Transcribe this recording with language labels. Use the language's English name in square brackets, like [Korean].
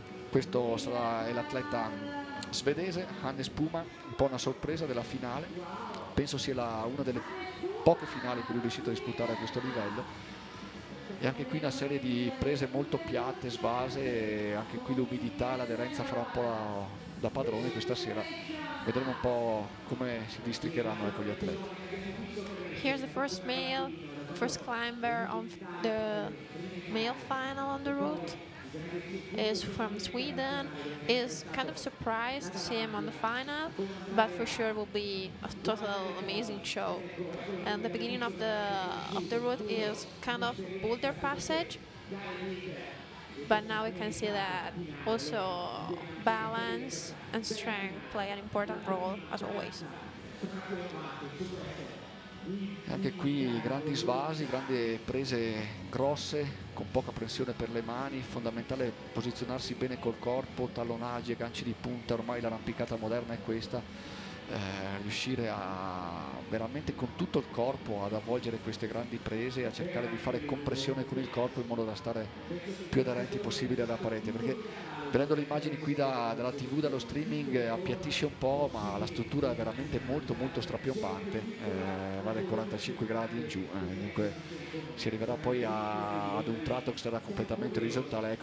[Italian] Questo sarà l'atleta svedese Hanne Spuma, un po' una sorpresa della finale, penso sia una delle poche finali che lui è riuscito a disputare a questo livello. E anche qui una serie di prese molto piatte, svase, anche qui l'umidità, l'aderenza farà un po' da padrone questa sera. Vedremo un po' come si districheranno con gli atleti. [English] Here's the first male, first climber of the male final on the route. Is from Sweden, is kind of surprised to see him on the final, but for sure will be a total amazing show. And the beginning of the route is kind of boulder passage, but now we can see that also balance and strength play an important role as always. [Italian] Anche qui grandi svasi, grandi prese grosse, con poca pressione per le mani, fondamentale posizionarsi bene col corpo, tallonaggi e ganci di punta, ormai l'arrampicata moderna è questa, riuscire a veramente con tutto il corpo ad avvolgere queste grandi prese, a cercare di fare compressione con il corpo in modo da stare più aderenti possibile alla parete, perché vedendo le immagini qui dalla TV, dallo streaming, appiattisce un po', ma la struttura è veramente molto molto strapiombante, va dai 45 gradi in giù, dunque si arriverà poi ad un tratto che sarà completamente orizzontale.